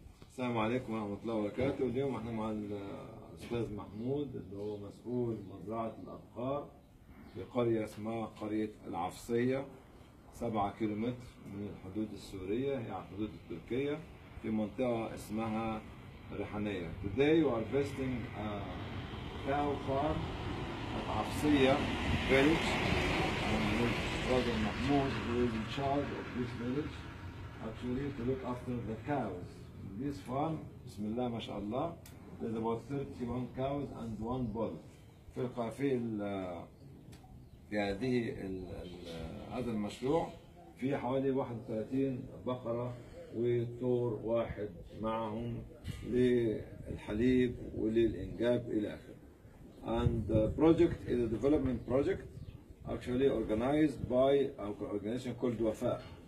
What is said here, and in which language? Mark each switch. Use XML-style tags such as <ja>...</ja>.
<ar>السلام عليكم ورحمة الله وبركاته. اليوم احنا مع الأستاذ محمود اللي هو مسؤول مزرعة الأبقار في قرية اسمها قرية العفصية، 7 كيلومتر من الحدود السورية، يعني حدود التركية، في منطقة اسمها ريحانية.</ar> <en>Today we are visiting a cow farm at Afsiya village. And this brother Mahmoud, who is in charge of this village, actually to look after the cows. In this farm, Bismillah, mashallah, there's about 31 cows and one bull.</en> <ar>في القافة في هذه هذا المشروع في حوالي 31 بقرة وثور واحد معهم للحليب وللإنجاب إلى آخر.</ar> <en>And the project is a development project actually organized by an organization called وفاء.</en>